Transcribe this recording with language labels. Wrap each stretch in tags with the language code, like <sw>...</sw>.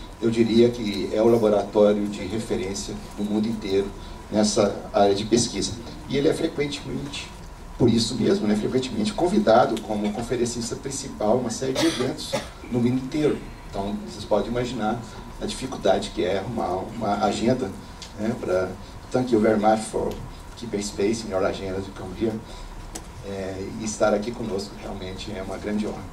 <pt>Eu diria que é o laboratório de referência do mundo inteiro nessa área de pesquisa. E ele é frequentemente, por isso mesmo, né, frequentemente convidado como conferencista principal em uma série de eventos no mundo inteiro. Então, vocês podem imaginar a dificuldade que é arrumar uma agenda, né, para...</pt> <en>Thank you very much for keeping space in your agenda to come here.</en> <pt>E estar aqui conosco realmente é uma grande honra.</pt>